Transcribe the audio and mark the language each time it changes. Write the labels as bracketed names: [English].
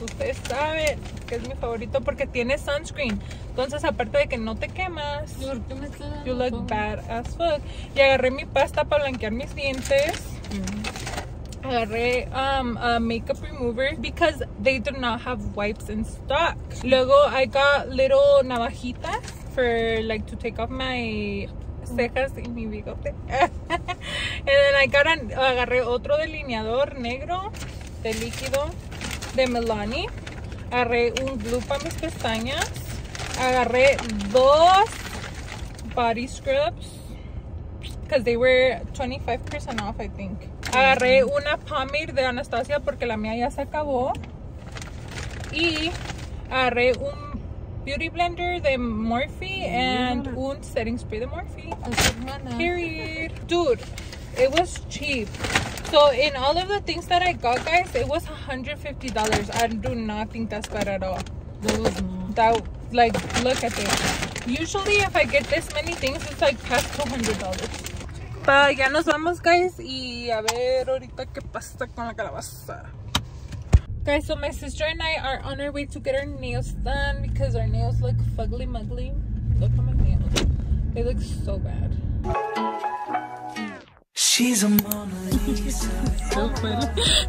[Spanish] Ustedes saben que es mi favorito porque tiene sunscreen. Entonces, aparte de que no te quemas, [English] you look bad as fuck. [Spanish] Y agarré mi pasta para blanquear mis dientes. Agarré [English] a makeup remover because they do not have wipes in stock. [Spanish] Luego [English] I got little [Spanish] navajitas [English] for like to take off my [Spanish] cejas y mi bigote. [English] And then I got [Spanish] agarré otro delineador negro de líquido de Milani. Agarré un glue para mis pestañas. Agarré dos [English] body scrubs because they were 25% off, I think. [Spanish] Agarré una pomade de Anastasia porque la mía ya se acabó. Y agarré un beauty blender de Morphe [English] and [Spanish] un setting spray de Morphe. [English] Period. Dude, it was cheap. So in all of the things that I got, guys, it was $150. I do not think that's bad at all. That, like, look at this. Usually if I get this many things, it's like past $200. [Spanish] Pa, ya nos vamos, guys, y a ver ahorita qué pasa con la calabaza. [English] Guys, so my sister and I are on our way to get our nails done because our nails look fugly muggly. Look at my nails. They look so bad. She's a Mona Lisa. So funny.